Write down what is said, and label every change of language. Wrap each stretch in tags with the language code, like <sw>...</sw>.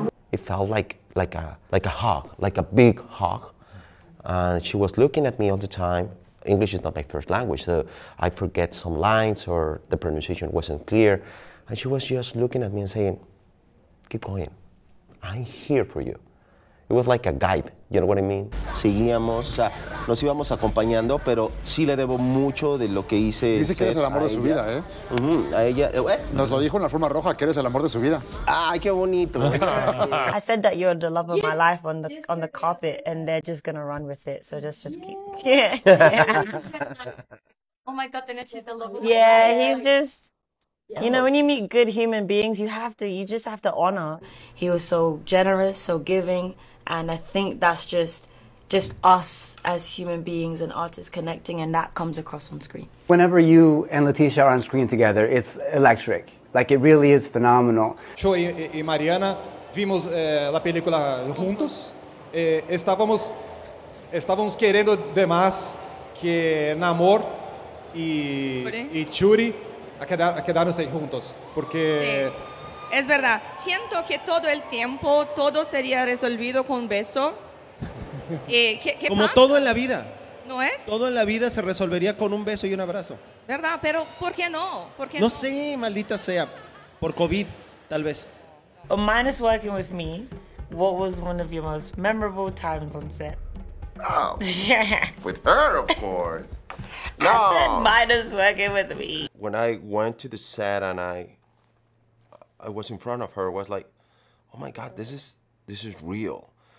<en>It felt like a hug, like a big hug. And she was looking at me all the time. English is not my first language, so I forget some lines or the pronunciation wasn't clear. And she was just looking at me and saying, keep going. I'm here for you. It was like a guide, you know what I mean?</en> <es>Seguíamos, o sea, nos íbamos acompañando, pero sí le debo mucho de lo que hice. Dice que eres el amor de su vida, ¿eh? Uh-huh. A ella, ¿eh? Nos lo dijo en la forma roja, que eres el amor de su vida. Ay, qué bonito.</es> <en>I said that you're the love of my life on the carpet, and they're just gonna run with it, so just keep. Yeah. Oh my God, Tenoch is the love of my life. Yeah, you know, when you meet good human beings, you just have to honor. He was so generous, so giving, and I think that's just us as human beings and artists connecting, and that comes across on screen. Whenever you and Letitia are on screen together, it's electric. Like, it really is phenomenal.</en> <es>Yo y Mariana vimos la película juntos. Estábamos queriendo demás que Namor y Churi a quedarse juntos, porque... Sí. Es verdad, siento que todo el tiempo todo sería resolvido con un beso. ¿Qué como pasa? Todo en la vida. ¿No es? Todo en la vida se resolvería con un beso y un abrazo. ¿Verdad? Pero ¿por qué no? ¿Por qué no? No sé, maldita sea, por COVID, tal vez.</es> <en>Minus working with me, what was one of your most memorable times on set? Oh, with her, of course. No. I said, minus working with me. When I went to the set and I was in front of her, I was like, oh my God, this is real.</en>